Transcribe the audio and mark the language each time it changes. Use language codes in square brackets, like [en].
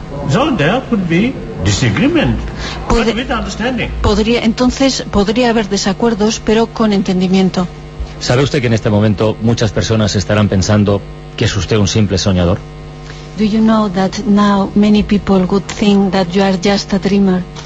[en] So there could be disagreement, but with understanding. [es] Podría haber desacuerdos, pero con entendimiento. ¿Sabe usted que en este momento muchas personas estarán pensando que es usted un simple soñador? [en] Do you know that now many people would think that you are just a dreamer?